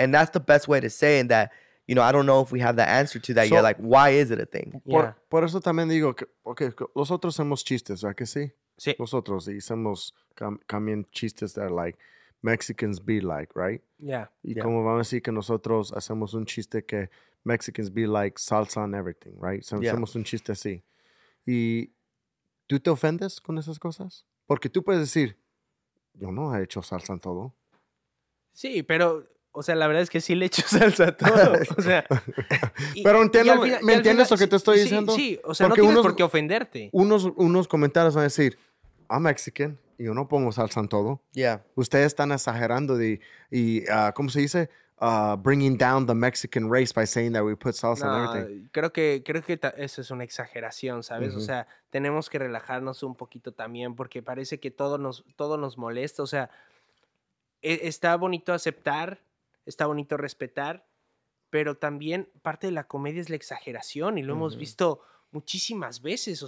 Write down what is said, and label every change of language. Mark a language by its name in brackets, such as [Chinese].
[English] And that's the best way to say it, that, you know, I don't know if we have the answer to that yet. Why is it a thing? [Spanish] Por eso también digo que, okay, nosotros hacemos chistes, ¿verdad que sí? Sí. Nosotros hacemos también chistes [English] that Mexicans be right? Yeah. [Spanish] Y como vamos a decir que nosotros hacemos un chiste que [English] Mexicans be salsa and everything, right? [Spanish] Hacemos un chiste así. Y... ¿Tú te ofendes con esas cosas? Porque tú puedes decir, yo no he hecho salsa en todo. Sí, pero, o sea, la verdad es que sí le he hecho salsa a todo. O sea, pero entiendo, ¿me entiendes lo que te estoy diciendo? Sí, o sea, porque no tienes por qué ofenderte. Unos comentarios van a decir, [English] I'm Mexican, [Spanish] y yo no pongo salsa en todo. Yeah. Ustedes están exagerando ¿cómo se dice? [English] Bringing down the Mexican race by saying that we put salsa and everything. [Spanish] Creo que eso es una exageración, ¿sabes? Mm-hmm. O sea, tenemos que relajarnos un poquito también porque parece que todo nos molesta. O sea, está bonito aceptar, está bonito respetar, pero también parte de la comedia es la exageración y lo hemos visto muchísimas veces.